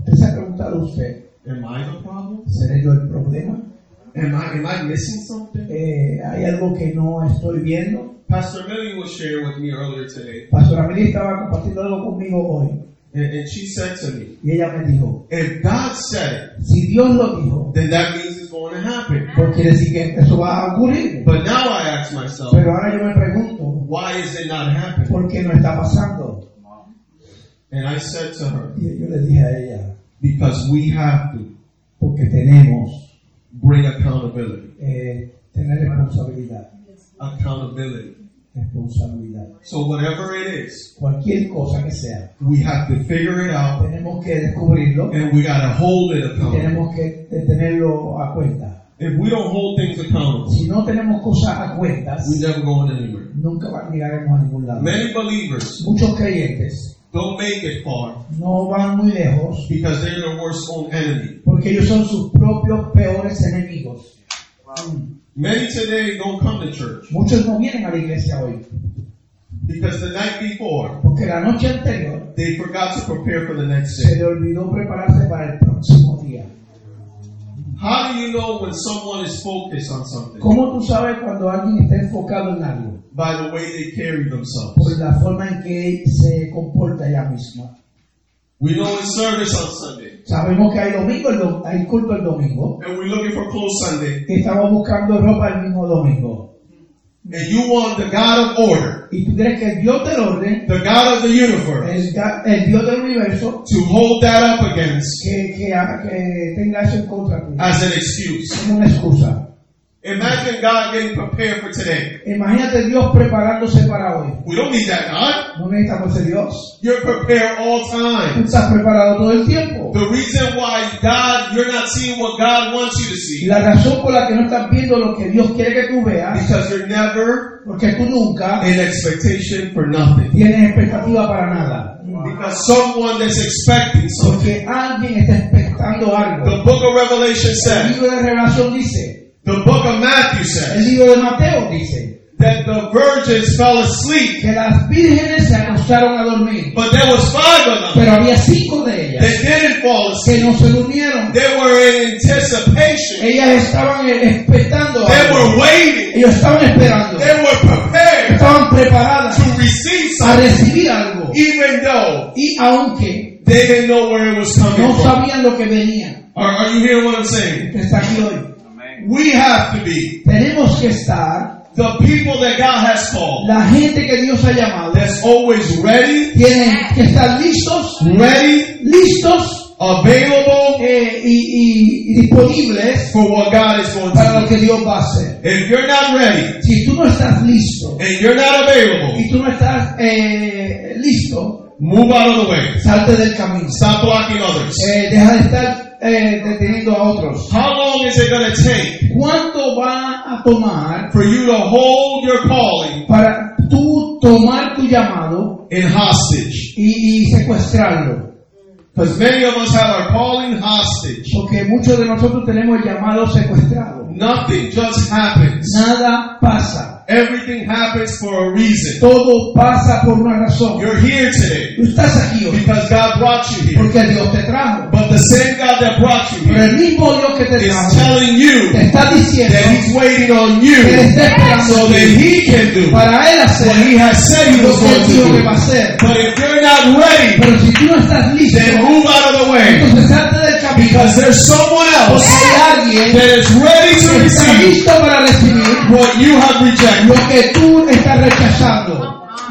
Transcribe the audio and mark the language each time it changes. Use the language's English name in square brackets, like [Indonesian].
[Spanish] ¿Te has preguntado usted? [English] Am I the problem? [Spanish] ¿Seré yo el problema? [English] Am I missing something? [Spanish] ¿Hay algo que no estoy viendo? [English] Pastor Millie was sharing with me earlier today. [Spanish] Pastor Millie estaba compartiendo algo conmigo hoy. [English] And she said to me, [Spanish] y ella me dijo, [English] if God said it, [Spanish] si Dios lo dijo, [English] then that means it's going to happen. [Spanish] Porque quiere decir que eso va a ocurrir. [English] But now I ask myself, [Spanish] pero ahora yo me pregunto, [English] why is it not happening? [Spanish] ¿Por qué no está pasando? [English] And I said to her, [Spanish] y yo le dije a ella, [English] because we have to, [Spanish] porque tenemos, [English] bring accountability. [Spanish] Tener responsabilidad. [English] Accountability. [Spanish] Responsabilidad. [English] So whatever it is, [Spanish] cualquier cosa que sea, [English] we have to figure it out. [Spanish] Tenemos que descubrirlo, [English] and we gotta hold it accountable. [Spanish] Tenemos que tenerlo a cuenta. [English] If we don't hold things accountable, [Spanish] si no tenemos cosas a cuentas, [English] we never go anywhere. [Spanish] Nunca llegaremos a ningún lado. [English] Many believers, [Spanish] muchos creyentes, [English] don't make it far. [Spanish] No van muy lejos, [English] because they're their worst own enemy. [Spanish] Porque ellos son sus propios peores enemigos. [English] Many today don't come to church. [Spanish] Muchos no vienen a la iglesia hoy. [English] Because the night before, [Spanish] porque la noche anterior, [English] they forgot to prepare for the next day. [Spanish] Se le olvidó prepararse para el próximo día. [English] How do you know when someone is focused on something? [Spanish] ¿Cómo tú sabes cuando alguien está enfocado en algo? [English] By the way they carry themselves. [Spanish] Por la forma en que se comporta ella misma. [English] We know it's service on Sunday. [Spanish] Sabemos que hay domingo, hay culto el domingo. [English] And we're looking for clothes Sunday. [Spanish] Estamos buscando ropa el mismo domingo. [English] And you want the God of order. [Spanish] Y tú crees que el Dios del orden, [English] the God of the universe, [Spanish] el Dios del universo, [English] to hold that up against, [Spanish] que tenga eso en contra tuyo, [English] as an excuse. [Spanish] Como una excusa. [English] Imagine God getting prepared for today. [Spanish] Imagínate Dios preparándose para hoy. [English] We don't need that God. [Spanish] No necesitamos ese Dios. [English] You're prepared all time. [Spanish] Tú estás preparado todo el tiempo. [English] The reason why God, you're not seeing what God wants you to see. [Spanish] La razón por la que no estás viendo lo que Dios quiere que tú veas. [English] Because you're never, [Spanish] porque tú nunca, [English] in expectation for nothing. [Spanish] Tienes expectativa para nada. [English] Because someone is expecting something. [Spanish] Porque alguien está expectando algo. [English] The book of Revelation says. [Spanish] El libro de Revelación dice. [English] The book of Matthew says, [Spanish] el libro de Mateo dice, [English] that the virgins fell asleep, [Spanish] que las vírgenes se acostaron a dormir, [English] but there was five of them, [Spanish] pero había cinco de ellas, [English] that didn't fall asleep, [Spanish] que no se durmieron, [English] they were in anticipation, [Spanish] ellas estaban expectando, [English] they were waiting, [Spanish] ellos estaban esperando, [English] they were prepared, [Spanish] estaban preparadas, [English] to receive something, [Spanish] a recibir algo, [English] even though, [Spanish] y aunque, [English] they didn't know where it was coming [Spanish] no [English] from, [Spanish] no sabían lo que venía. [English] Are you hearing what I'm saying? [Spanish] Está aquí hoy. [English] We have to be, [Spanish] tenemos que estar, [English] the people that God has called, [Spanish] la gente que Dios ha llamado, [English] that's always ready, [Spanish] tienen que estar listos, [English] ready, [Spanish] listos, [English] available, [Spanish] y disponibles, [English] for what God is going to [Spanish] para Lo que Dios va a hacer. [English] If you're not ready, [Spanish] si tú no estás listo, [English] and you're not available, [Spanish] y tú no estás listo, [English] move out of the way, [Spanish] salte del camino, [English] stop blocking others, [Spanish] deja de estar deteniendo a otros. [English] How long is it going to take? [Spanish] ¿Cuánto va a tomar? [English] For you to hold your calling. [Spanish] Para tú tomar tu llamado. [English] In hostage. [Spanish] Y secuestrarlo. [English] Because many of us have our calling hostage. [Spanish] Porque muchos de nosotros tenemos el llamado secuestrado. [English] Nothing just happens. [Spanish] Nada pasa. [English] Everything happens for a reason. [Spanish] Todo pasa por una razón. [English] You're here today. [Spanish] Estás aquí hoy. [English] Because God brought you here. [Spanish] Porque Dios te trajo. [English] But the same God that brought you here, [Spanish] el mismo Dios que te trajo, [English] is telling you, [Spanish] te está diciendo, [English] that He's waiting on you, [Spanish] que está esperando, [English] so that He can do, [Spanish] para él hacer, [English] what He has said He was going to do. But if you're not ready, [Spanish] pero si tú no estás listo, [English] then move out of the way. [Spanish] Entonces salte del camino. [English] Because there's someone else, [Spanish] yes, alguien, [English] that is ready to receive, [Spanish] está listo para recibir, [English] what you have rejected. [Spanish] Lo que tú estás rechazando.